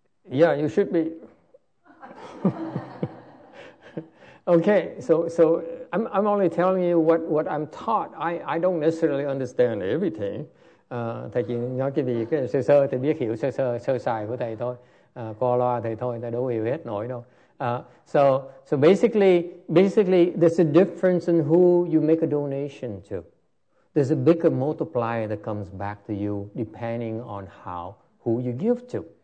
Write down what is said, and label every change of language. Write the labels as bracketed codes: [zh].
[en] Yeah, you should be. Okay, so I'm only telling you what I'm taught. I don't necessarily understand everything. [vi] Thầy chỉ nói cái gì cái sơ sơ, thầy biết hiểu sơ sài của thầy thôi. Qua loa thầy thôi, thầy đâu hiểu hết nổi đâu. [en] So basically, there's a difference in who you make a donation to. There's a bigger multiplier that comes back to you depending on how who you give to.